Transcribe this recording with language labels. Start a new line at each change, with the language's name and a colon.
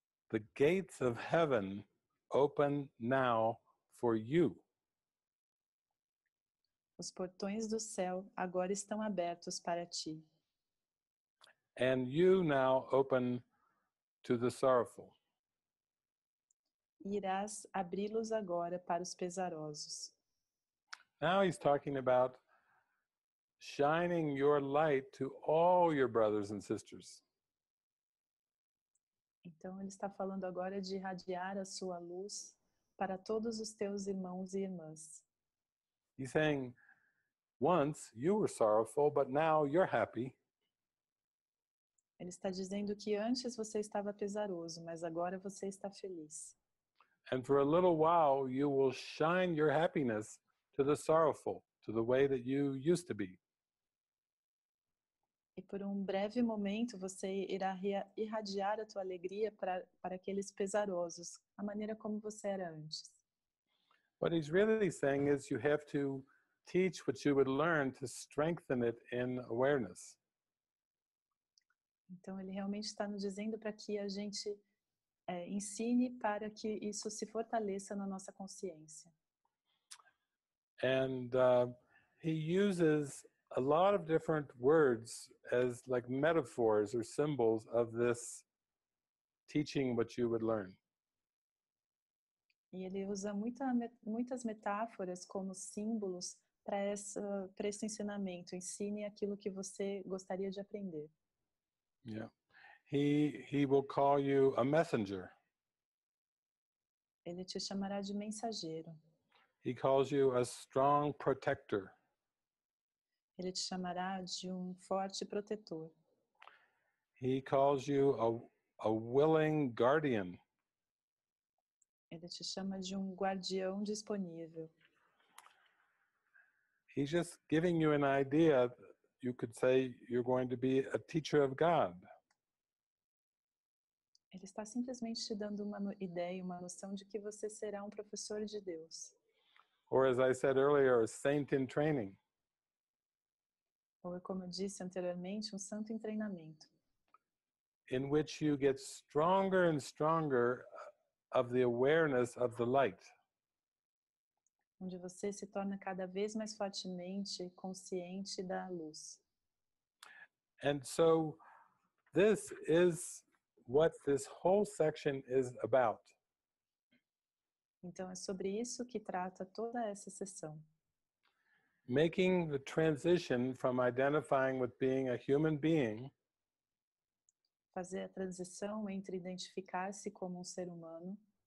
English: The gates of heaven open now for you.
Portuguese: Os portões do céu agora estão abertos para ti.
English: And you now open to the sorrowful.
Portuguese: Irás abri-los agora para os pesarosos.
English: Now he's talking about shining your light to all your brothers and sisters.
Portuguese: Então ele está falando agora de irradiar a sua luz para todos os teus irmãos e irmãs.
English: He's saying, once you were sorrowful, but now you're happy.
Portuguese: Ele está dizendo que antes você estava pesaroso, mas agora você está feliz.
English: And for a little while, you will shine your happiness to the sorrowful, to the way that you used to be.
Portuguese: E por um breve momento, você irá irradiar a tua alegria para aqueles pesarosos, a maneira como você era antes.
English: What he's really saying is you have to teach what you would learn to strengthen it in awareness.
Portuguese: Então ele realmente está nos dizendo para que a gente ensine para que isso se fortaleça na nossa consciência. And he uses a lot of different words as like metaphors or symbols of this teaching what you would learn. E ele usa muitas metáforas como símbolos para esse ensinamento. Ensine aquilo que você gostaria de aprender.
English: Yeah. He will call you a messenger.
Portuguese: Ele te chamará de mensageiro.
English: He calls you a strong protector.
Portuguese: Ele te chamará de forte protetor.
English: He calls you a willing guardian.
Portuguese: Ele te chama de guardião disponível.
English: He's just giving you an idea. You could say you're going to be a teacher of God.
Portuguese: Ele está simplesmente te dando uma ideia, uma noção de que você será professor de Deus.
English: Or as I said earlier, a saint in training.
Portuguese: Ou como eu disse anteriormente, santo em treinamento.
English: In which you get stronger and stronger of the awareness of the light.
Portuguese: Onde você se torna cada vez mais fortemente consciente da luz.
English: And so this is what this whole section is about.
Portuguese: Então é sobre isso que trata toda essa sessão.
English: Making the transition from identifying with being a human being.
Portuguese: Fazer a transição entre identificar-se como ser humano.